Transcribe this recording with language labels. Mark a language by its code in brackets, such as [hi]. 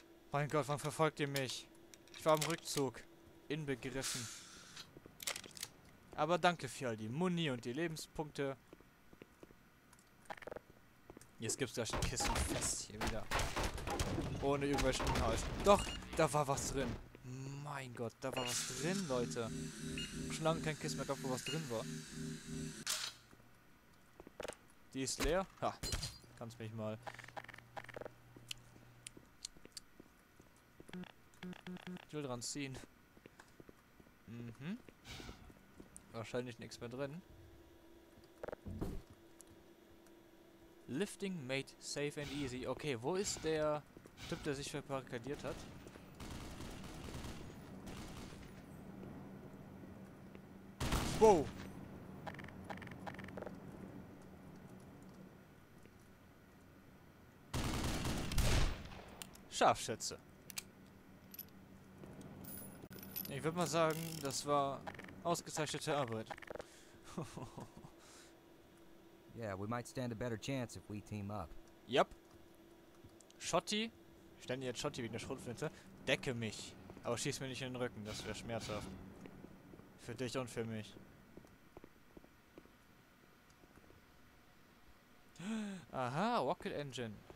[de] Mein Gott, wann verfolgt ihr mich? Ich war im Rückzug. Inbegriffen. Aber danke für all die Muni und die Lebenspunkte. Jetzt gibt's gleich ein Kissen fest hier wieder. Ohne irgendwelchen Inhalt. Doch, da war was drin. Mein Gott, da war was drin, Leute. Schon lange kein Kissen mehr gehabt, wo was drin war. Die ist leer. Ha, kannst mich mal. Ich will dran ziehen. Mhm. Wahrscheinlich nichts mehr drin. [en] Lifting made safe and easy. [de] Okay, wo ist der Typ, der sich verbarrikadiert hat? Wow! Scharfschütze. Ich würde mal sagen, das war ausgezeichnete Arbeit. [en] Yeah, we might stand a better chance if we team up. [de] Yep. Schotti. Ich stelle jetzt Schotti wegen der Schrotflinte. Decke mich. Aber schieß mir nicht in den Rücken, das wäre schmerzhaft. Für dich und für mich. Aha, Rocket Engine.